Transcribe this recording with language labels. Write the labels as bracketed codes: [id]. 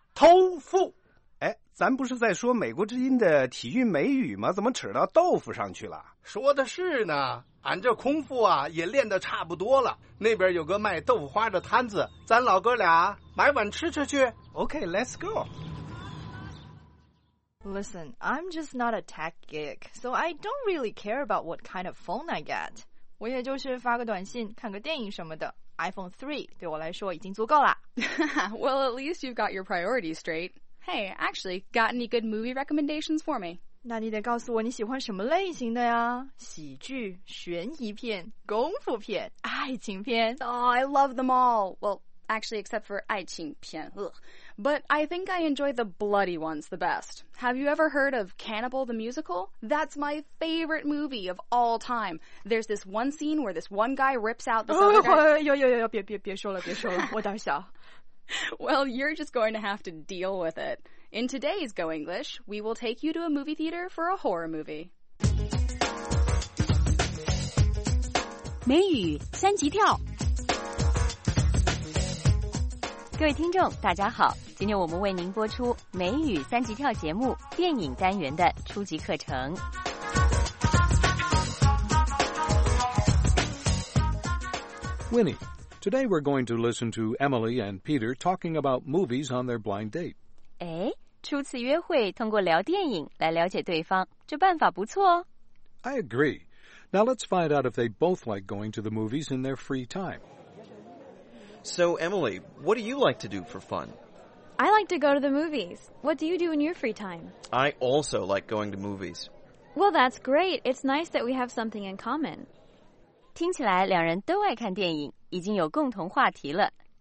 [zh] 豆腐。哎，咱不是在说美国之音的体育美语吗？怎么扯到豆腐上去了？说的是呢，俺这空腹啊也练得差不多了。那边有个卖豆腐花的摊子，咱老哥俩买碗吃吃去。 [en] Okay, let's go. Listen, I'm just not a tech geek, so I don't really care about what kind of phone I get. [zh] 我也就是发个短信，看个电影什么的。 iPhone 3对我来说已经足够了。 [en] Well, at least you've got your priorities straight. Hey, actually, got any good movie recommendations for me? [zh] 那你得告诉我你喜欢什么类型的呀？喜剧、悬疑片、功夫片、爱情片。 [en] Oh, I love them all. Well, actually, except for [zh] 爱情片。 [en] Ugh. But I think I enjoy the bloody ones the best. Have you ever heard of Cannibal the Musical? That's my favorite movie of all time. There's this one scene where this one guy rips out this other guy. [zh] 别说了，我胆小。 [en] Well, you're just going to have to deal with it. In today's Go English, we will take you to a movie theater for a horror movie. [zh] 美语三级跳。各位听众，大家好，今天我们为您播出美语三级跳节目电影单元的初级课程。 [en] Winnie, today we're going to listen to Emily and Peter talking about movies on their blind date. [zh] 哎，初次约会通过聊电影来了解对方，这办法不错哦。 [en] I agree. Now let's find out if they both like going to the movies in their free time. So, Emily, what do you like to do for fun? I like to go to the movies. What do you do in your free time? I also like going to movies. Well, that's great. It's nice that we have something in common. [zh] 听起来两人都爱看电影，已经有共同话题了。